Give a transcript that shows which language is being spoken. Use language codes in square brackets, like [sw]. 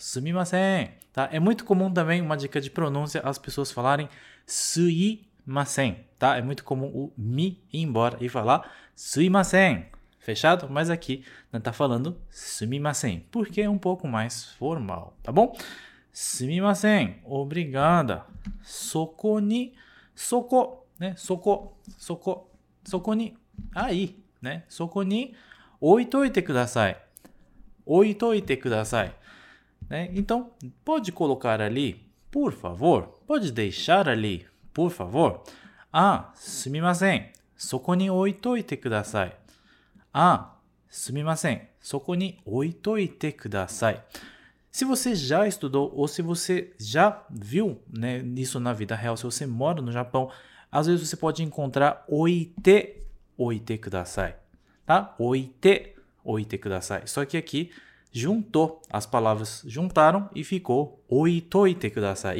[pt] Sumimasen, tá? É muito comum também, uma dica de pronúncia, as pessoas falarem suimasen, tá? É muito comum o mi ir embora e falar suimasen, fechado? Mas aqui, né, tá falando sumimasen, porque é um pouco mais formal, tá bom? Sumimasen, obrigada. Soko ni, [ja] そこ、ね、そこ、そこ、そこに、あ、いい、ね、そこに置いといてください。置いといてください。 [pt] ね、então, pode colocar ali, por favor, pode deixar ali, por favor. [ja] あ、すみません、そこに置いといてください。あ、すみません、そこに置いといてください。 [pt] Se você já estudou ou se você já viu, né, isso na vida real, se você mora no Japão, às vezes você pode encontrar oite, oite kudasai, tá? Oite, oite kudasai. Só que aqui juntou, as palavras juntaram e ficou oitoite kudasai.